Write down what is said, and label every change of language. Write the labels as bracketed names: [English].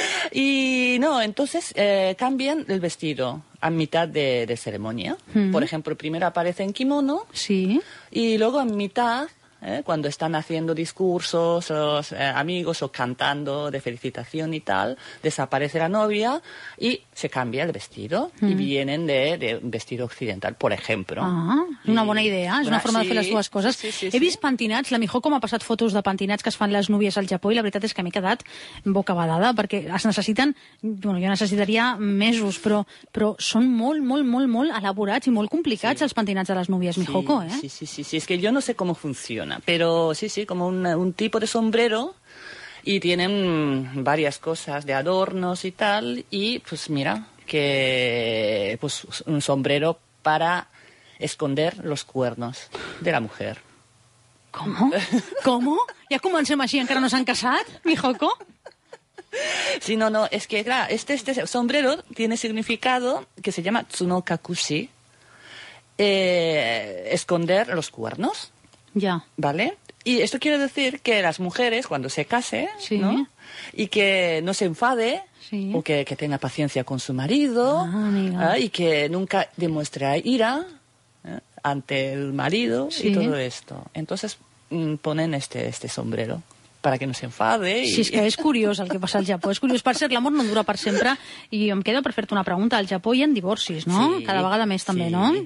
[Spanish] Y no, entonces cambian el vestido a mitad de ceremonia. Por ejemplo, primero aparece en kimono. Sí. Y luego a mitad... Cuando están haciendo discursos, los amigos, o cantando de felicitación y tal, desaparece la novia y se cambia el vestido y vienen de un vestido occidental, por ejemplo. [Catalan] Ah, una bona idea, és una forma de fer les dues coses. He vist pentinats, la Mijoco m'ha passat fotos de pentinats que es fan les núvies al Japó i la veritat és que m'he quedat bocabadada perquè es necessiten, bueno, jo necessitaria mesos, però són molt, molt, molt, molt elaborats i molt complicats els pentinats de les núvies, Mijoco, eh? Sí, és que jo no sé com funciona. [Spanish] Pero sí, como un tipo de sombrero y tienen varias cosas de adornos y tal. Y pues mira, que pues un sombrero para esconder los cuernos de la mujer. ¿Cómo? ¿Cómo? ¿Ya cómo han sido así? ¿En qué nos han casado, Mijoco? Sí, no, es que claro, este sombrero tiene significado que se llama tsunokakushi, esconder los cuernos. Ya. ¿Vale? Y esto quiere decir que las mujeres, cuando se case, ¿no? Y que no se enfade, o que tenga paciencia con su marido, y que nunca demuestre ira ante el marido y todo esto. Entonces ponen este sombrero. Para que no s'enfade. [Catalan] Sí, és que és curiós el que passa al Japó. És curiós, per cert, l'amor no dura per sempre. I em queda per fer-te una pregunta. Al Japó hi ha divorcis, no? Sí, cada vegada més, també, no?